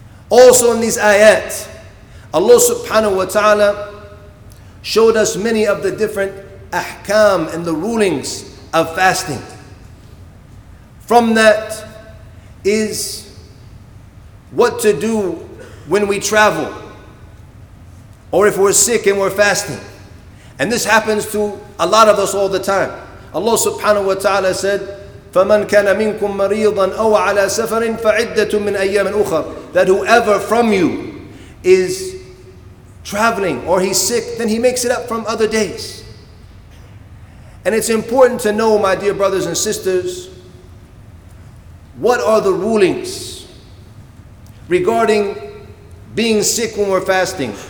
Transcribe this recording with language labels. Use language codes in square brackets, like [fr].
[en] Also in these ayat, Allah subhanahu wa ta'ala showed us many of the different ahkam and the rulings of fasting. From that is what to do when we travel, or if we're sick and we're fasting. And this happens to a lot of us all the time. [ar] Allah subhanahu wa ta'ala said, فَمَنْ كَانَ مِنْكُمْ مَرِيضًا أَوْ عَلَىٰ سَفَرٍ فَعِدَّةٌ مِنْ أَيَّامٍ أُخَرٍ. [en] That whoever from you is traveling or he's sick, then he makes it up from other days. And it's important to know, my dear brothers and sisters, what are the rulings regarding being sick when we're fasting?